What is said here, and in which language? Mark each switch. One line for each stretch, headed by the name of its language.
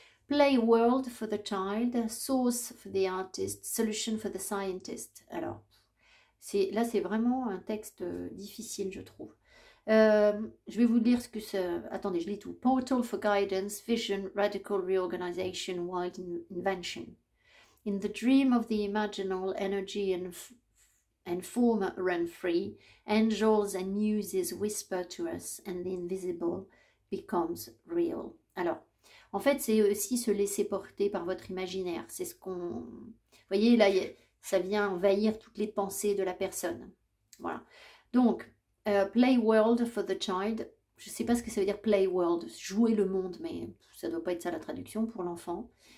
English: Play world for the child, source for the artist, solution for the scientist.
French: Alors, c'est vraiment un texte difficile, je trouve. Je vais vous lire ce que c'est, attendez, je lis tout.
English: Portal for guidance, vision, radical reorganization, wild invention. In the dream of the imaginal energy and form run free, angels and muses whisper to us, and the invisible becomes real.
French: Alors, en fait, c'est aussi se laisser porter par votre imaginaire. C'est ce qu'on... Vous voyez, là, ça vient envahir toutes les pensées de la personne. Voilà. Donc,
English: play world for the child.
French: Je ne sais pas ce que ça veut dire
English: play world.
French: Jouer le monde, mais ça ne doit pas être ça la traduction pour l'enfant.